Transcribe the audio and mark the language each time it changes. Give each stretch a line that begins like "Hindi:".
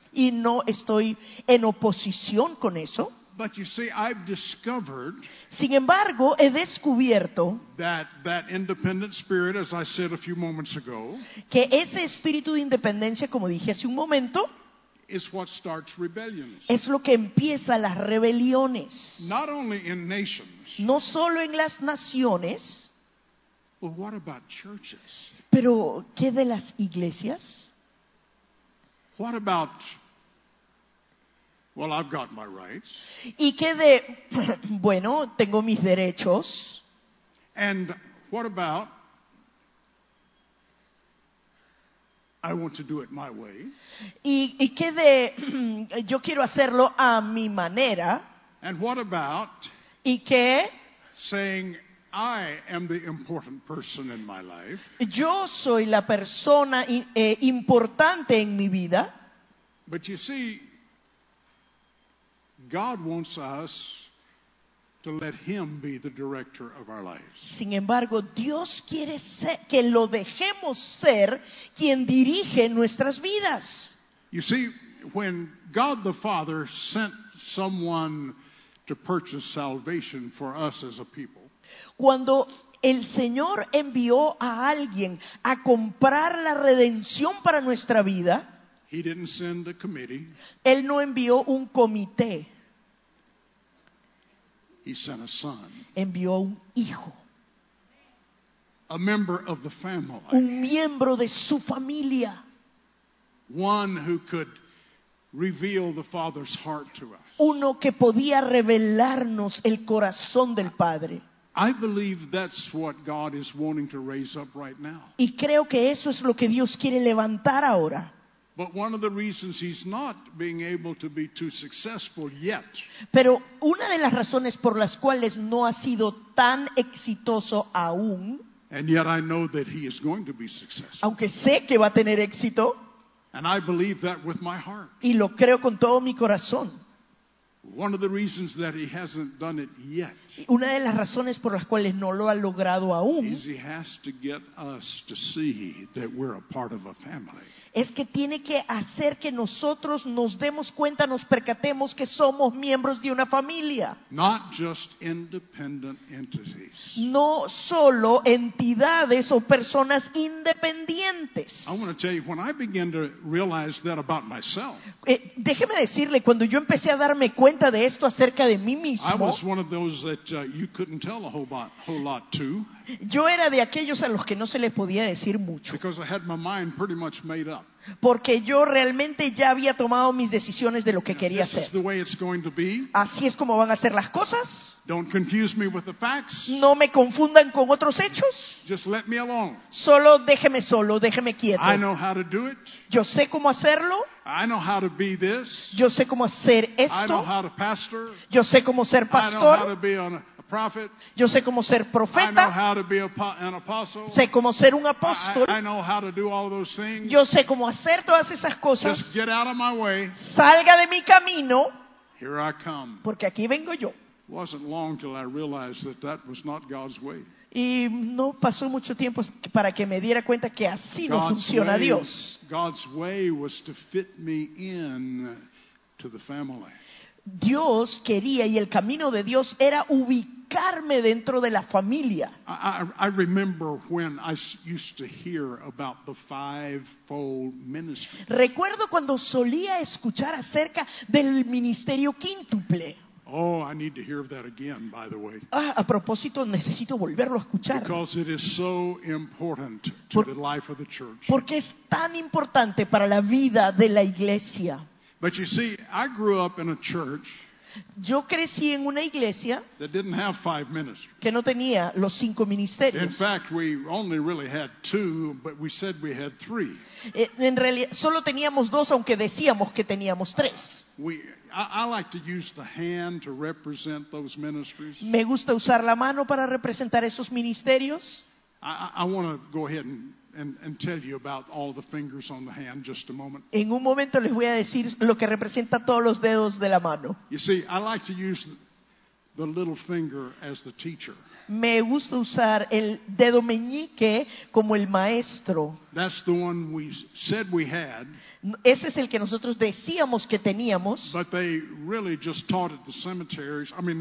Spanish: Y no estoy en oposición con eso.
English: But you see, I've discovered,
Spanish: sin embargo, he descubierto
English: that independent spirit, as I said a few moments ago,
Spanish: que ese espíritu de independencia, como dije hace un momento,
English: is what starts rebellions.
Spanish: Es lo que empieza las rebeliones.
English: Not only in nations.
Spanish: No solo en las naciones.
English: But what about churches?
Spanish: Pero ¿qué de las iglesias?
English: What about, well, I've got my rights.
Spanish: ¿Y qué de bueno, tengo mis derechos?
English: And what about, I want to do it my way.
Spanish: ¿Y qué de yo quiero hacerlo a mi manera?
English: And what about,
Spanish: ¿y qué?
English: Saying I am the important person in my life.
Spanish: Yo soy la persona importante en mi vida.
English: But you see, God wants us to let him be the director of our lives.
Spanish: Sin embargo, Dios quiere que lo dejemos ser quien dirige nuestras vidas.
English: You see, when God the Father sent someone to purchase salvation for us as a people,
Spanish: cuando el Señor envió a alguien a comprar la redención para nuestra vida,
English: he didn't send a committee.
Spanish: Él no envió un comité.
English: He sent a son.
Spanish: Envió un hijo.
English: A member of the family.
Spanish: Un miembro de su familia.
English: One who could reveal the Father's heart to us.
Spanish: Uno que podía revelarnos el corazón del Padre.
English: I believe that's what God is wanting to raise up right now.
Spanish: Y creo que eso es lo que Dios quiere levantar ahora.
English: But one of the reasons he's not being able to be too successful yet.
Spanish: Pero una de las razones por las cuales no ha sido tan exitoso aún.
English: And yet I know that he is going to be successful.
Spanish: Aunque sé que va a tener éxito.
English: And I believe that with my heart.
Spanish: Y lo creo con todo mi corazón.
English: One of the reasons that he hasn't done it yet.
Spanish: Una de las razones por las cuales no lo ha logrado aún.
English: Is he has to get us to see that we're a part of a family.
Spanish: Es que tiene que hacer que nosotros nos demos cuenta, nos percatemos que somos miembros de una familia.
English: Not just independent entities.
Spanish: No solo entidades o personas independientes.
English: I want to tell you, when I began to realize that about myself.
Spanish: Déjeme decirle, cuando yo empecé a darme cuenta de esto acerca de mí mismo.
English: I was one of those that you couldn't tell a whole lot to.
Spanish: Yo era de aquellos a los que no se les podía decir mucho.
English: Because I had my mind pretty much made up.
Spanish: Porque yo realmente ya había tomado mis decisiones de lo que quería hacer.
English: This is the way it's going to be.
Spanish: Así es como van a ser las cosas.
English: Don't confuse me with the facts.
Spanish: No me confundan con otros hechos.
English: Just let me alone.
Spanish: Solo, déjeme quieto.
English: I know how to do it.
Spanish: Yo sé cómo hacerlo.
English: I know how to be this.
Spanish: Yo sé cómo hacer esto.
English: I know how to pastor.
Spanish: Yo sé cómo ser pastor.
English: I know how to be on a prophet.
Spanish: Yo sé cómo ser profeta.
English: I know how to be an apostle.
Spanish: Sé cómo ser un apóstol.
English: I know how to do all those things.
Spanish: Yo sé cómo hacer todas esas cosas.
English: Just get out of my way.
Spanish: Salga de mi camino.
English: Here I come.
Spanish: Porque aquí vengo yo.
English: It wasn't long till I realized that that was not God's way.
Spanish: Y no pasó mucho tiempo para que me diera cuenta que así no funciona Dios.
English: God's way was to fit me in to the family.
Spanish: Dios quería y el camino de Dios era ubicarme dentro de la familia.
English: I remember when I used to hear about the fivefold ministry.
Spanish: Recuerdo cuando solía escuchar acerca del ministerio quíntuple.
English: Oh, I need to hear that again, by the way.
Spanish: Ah, a propósito, necesito volverlo a escuchar.
English: Because it is so important to the life of the church.
Spanish: Porque es tan importante para la vida de la iglesia.
English: But you see, I grew up in a church.
Spanish: Yo crecí en una iglesia.
English: That didn't have five ministries.
Spanish: Que no tenía los cinco ministerios.
English: In fact, we only really had two, but we said we had three.
Spanish: En realidad, solo teníamos dos, aunque decíamos que teníamos tres.
English: I like to use the hand to represent those ministries.
Spanish: Me gusta usar la mano para representar esos ministerios.
English: I want to go ahead and tell you about all the fingers on the hand just a moment.
Spanish: En un momento les voy a decir lo que representa todos los dedos de la mano.
English: You see, I like to use the little finger as the teacher.
Spanish: Me gusta usar el dedo meñique como el maestro.
English: That's the one we said we had.
Spanish: Ese es el que nosotros decíamos que teníamos.
English: But they really just taught at the seminaries.